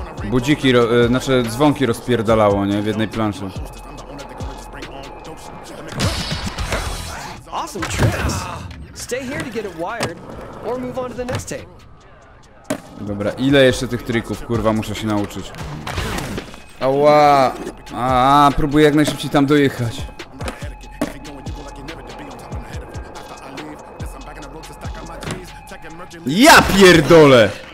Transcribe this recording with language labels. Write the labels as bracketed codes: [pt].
[pl] Budziki, znaczy dzwonki rozpierdalało, nie? W jednej planszy. [en] Awesome tricks. Stay here to get it wired or move on to the next tape. [pl] Dobra, ile jeszcze tych trików, kurwa, muszę się nauczyć. Ała! A, próbuję jak najszybciej tam dojechać. Ja pierdolę!